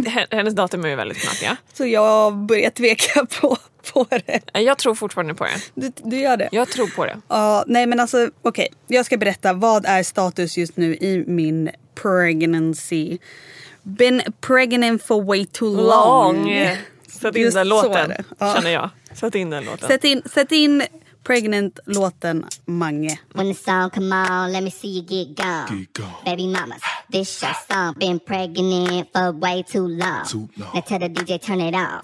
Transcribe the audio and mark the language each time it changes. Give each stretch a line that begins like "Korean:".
Swedish: Hennes datum är ju väldigt snart, ja. Så jag börjar tveka på det. Jag tror fortfarande på det. Du gör det? Jag tror på det. Nej, men alltså, okej. Okay. Jag ska berätta, vad är status just nu i min pregnancy?
English: Been pregnant for way too long.
Swedish: Sätt in just den låten, känner jag. Sätt in den låten. Sätt in... Pregnant låten Mange.
English: When the song come on, let me see you get gone. Get gone. Baby mamas, this your song. Been pregnant for way too long. Too long. Now tell the DJ turn it on.